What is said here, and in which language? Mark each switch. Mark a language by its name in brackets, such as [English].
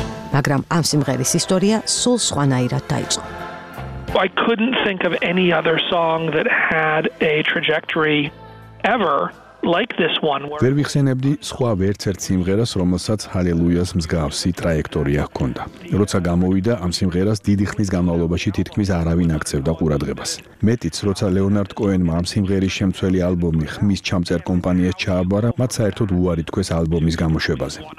[Georgian] Მაგრამ ამ სიმღერის ისტორია სულ სხვანაირად დაიწყო. [English] I couldn't think of any other song that had a trajectory ever like this one. [Georgian] ვერ ვიხსენებდი სხვა ვერცერც სიმღერას, რომელსაც Halleluja-ს მსგავსი ტრაექტორია ჰქონდა. როცა გამოვიდა ამ სიმღერას დიდი ხნის განმავლობაში თითქმის არავინ აქცევდა ყურადღებას. მეტიც, როცა Leonard Cohen-მა ამ სიმღერის შემცველი ალბომი ხმის ჩამწერ კომპანიას ჩააბარა, მათ საერთოდ უარი თქვეს ალბომის გამოშვებაზე.